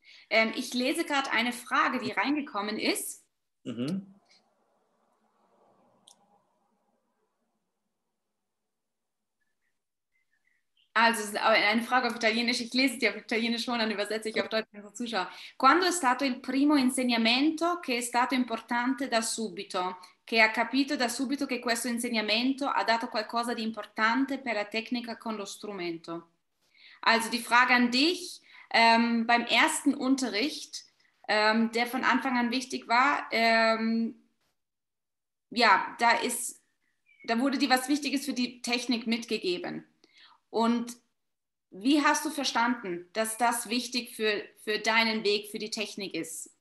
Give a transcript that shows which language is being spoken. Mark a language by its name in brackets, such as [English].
[German] Ja. Ich lese gerade eine Frage, die reingekommen ist. Mhm. Also eine Frage auf Italienisch, ich lese sie auf Italienisch und dann übersetze ich auf Deutsch für unsere Zuschauer. [Italian] Quando è stato il primo insegnamento che è stato importante da subito? Che ha capito da subito che questo insegnamento ha dato qualcosa di importante per la tecnica con lo strumento? [German] Also die Frage an dich, beim ersten Unterricht, der von Anfang an wichtig war, da wurde dir was Wichtiges für die Technik mitgegeben. Und wie hast du verstanden, dass das wichtig für deinen Weg, für die Technik ist?